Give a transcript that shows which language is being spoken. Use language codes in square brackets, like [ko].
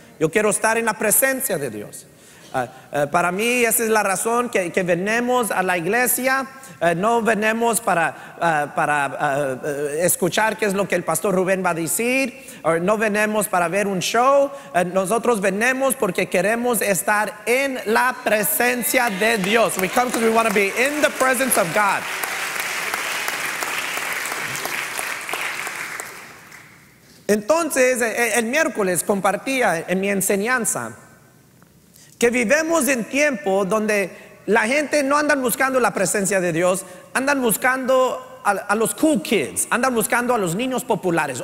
[es] Yo quiero estar en la presencia de Dios. Para mí esa es la razón que venimos a la iglesia, no venimos para escuchar qué es lo que el pastor Rubén va a decir, or no venimos para ver un show, nosotros venimos porque queremos estar en la presencia de Dios. [en] We come because we want to be in the presence of God. [es] Entonces, el miércoles compartía en mi enseñanza que vivimos en tiempo donde la gente no andan buscando la presencia de Dios, andan buscando a los [en] cool kids, [es] andan buscando a los niños populares.